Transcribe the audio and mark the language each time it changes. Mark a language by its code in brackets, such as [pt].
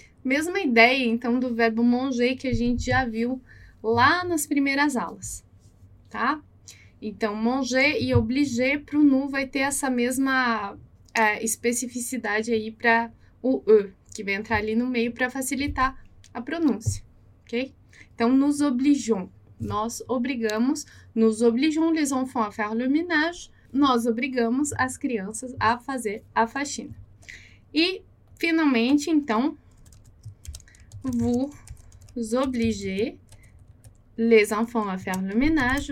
[pt] Mesma ideia, então, do verbo manger que a gente já viu lá nas primeiras aulas, tá? Então, manger e obliger para o nu vai ter essa mesma especificidade aí para o E, que vai entrar ali no meio para facilitar a pronúncia, ok? Então, [fr] nous obligeons. [pt] Nós obrigamos, [fr] nous obligeons les enfants à faire le ménage. [pt] Nós obrigamos as crianças a fazer a faxina. E, finalmente, então, [fr] vous obligez les enfants à faire le ménage.